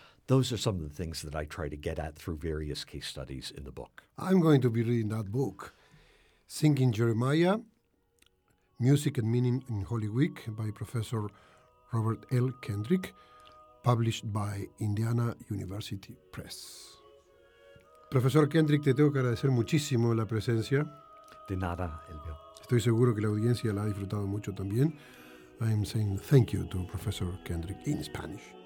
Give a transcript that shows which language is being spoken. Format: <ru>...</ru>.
<en>Those are some of the things that I try to get at through various case studies in the book. I'm going to be reading that book, Singing Jeremiah, Music and Meaning in Holy Week by Professor Robert L. Kendrick, published by Indiana University Press.</en> <es>Profesor Kendrick, te tengo que agradecer muchísimo la presencia. De nada, Elvio. Estoy seguro que la audiencia la ha disfrutado mucho también.</es> <en>I'm saying thank you to Professor Kendrick in Spanish.</en>